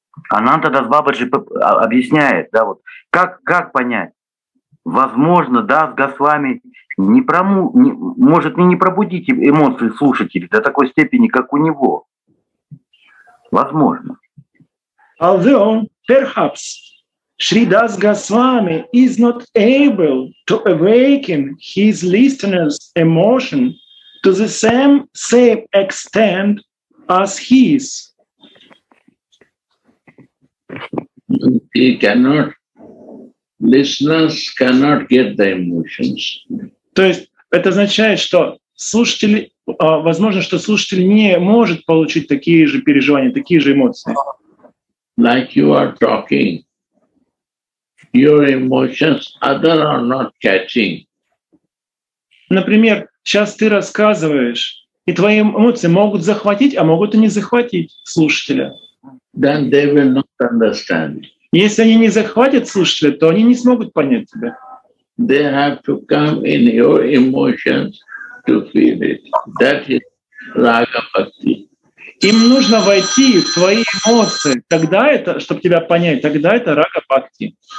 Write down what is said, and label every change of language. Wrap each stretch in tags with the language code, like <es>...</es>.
<ru>Ананта Дас Бабаджи объясняет, да, вот как понять. Возможно, Дас Госвами не пробудить эмоции слушателей до такой степени, как у него. Возможно.</ru> <en>Although perhaps Shri Das Goswami is not able to awaken his listeners' emotion to the same extent as his, He cannot, listeners cannot get the emotions.</en> <ru>То есть это означает, что слушатели, возможно, что слушатель не может получить такие же переживания, такие же эмоции.</ru> <en>Like you are talking, your emotions other are not catching.</en> <ru>Например, сейчас ты рассказываешь, и твои эмоции могут захватить, а могут и не захватить слушателя.</ru> <en>Then they will not understand.</en> <ru>Если они не захватят слушателя, то они не смогут понять тебя.</ru> <en>They have to come in your emotions to feel it. That is raga bhakti.</en> <ru>Им нужно войти в твои эмоции, тогда это, чтобы тебя понять, тогда это рага бхакти.</ru>